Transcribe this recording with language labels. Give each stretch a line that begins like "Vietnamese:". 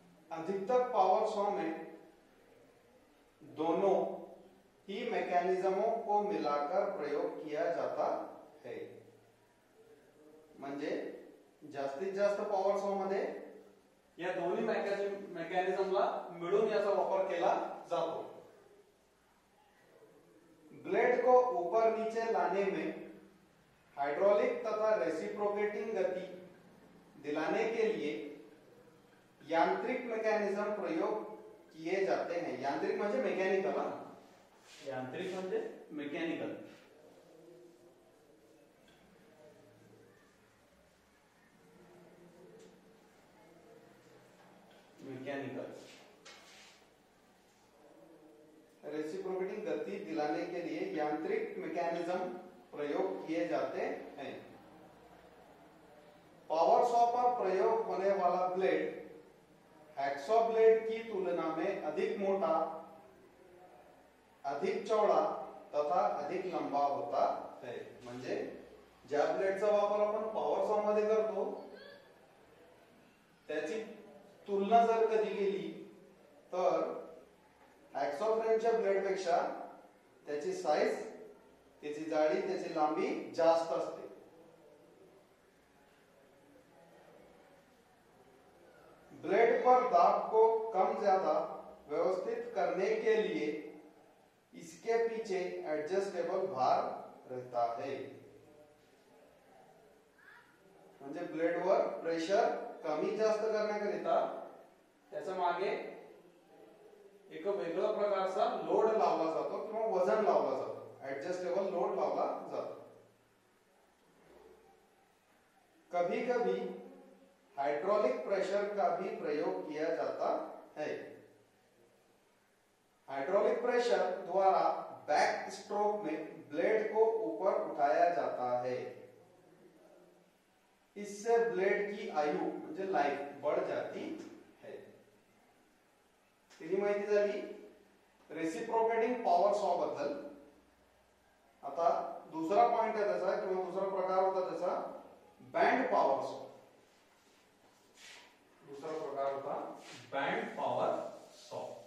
Hindi: अधिकतर power saw में दोनों ही मैकेनिज्मों को मिलाकर प्रयोग किया जाता है.
Marathi: म्हणजे जास्तीत जास्त पावर सॉ मध्ये या दोन्ही मैकेनिज्मला मिळून याचा वापर केला जातो.
Hindi: ब्लेड को ऊपर नीचे लाने में हाइड्रोलिक तथा रेसिप्रोकेटिंग गति दिलाने के लिए यांत्रिक मैकेनिज्म प्रयोग किए जाते हैं.
Marathi: यांत्रिक म्हणजे मेकॅनिकल. यांत्रिक म्हणजे मेकॅनिकल.
English: mechanical
Hindi: रेसिप्रोकेटिंग गति दिलाने के लिए यांत्रिक मैकेनिज्म प्रयोग किए जाते हैं. पावर सॉ पर प्रयोग होने वाला ब्लेड हैक्सॉ ब्लेड की तुलना में अधिक मोटा, अधिक चौड़ा तथा अधिक लंबा होता है.
Marathi: म्हणजे ज्या ब्लेडचा वापर आपण पावर सॉ मध्ये करतो त्याची तुलना जर कधी केली तर एक्सोफ्रेमच्या ब्लेड पेक्षा त्याची साईज, त्याची जाडी, त्याची लांबी जास्त असते.
Hindi: ब्लेड पर दाब को कम ज्यादा व्यवस्थित करने के लिए इसके पीछे एडजस्टेबल भार रहता है.
Marathi: म्हणजे ब्लेड वर प्रेशर कमी जास्त करण्याकरिता त्याच्या मागे एक वेगळा प्रकारचा लोड लावला जातो किंवा वजन लावला जातो. ऍडजस्टेबल लोड लावला जातो.
Hindi: कभी कभी हायड्रॉलिक प्रेशर का भी प्रयोग किया जाता है. हायड्रॉलिक प्रेशर द्वारा बैक स्ट्रोक में ब्लेड को ऊपर उठाया जाता है. इससे ब्लेड की आयु
Marathi: म्हणजे लाइफ
Hindi: बढ़ जाती.
Marathi: ही माहिती झाली रेसिप्रोकेटिंग पॉवर सॉ बद्दल. आता दुसरा पॉइंट आहे त्याचा किंवा दुसरा प्रकार होता त्याचा बँड पॉवर सॉ. दुसरा प्रकार होता बँड पॉवर सॉ.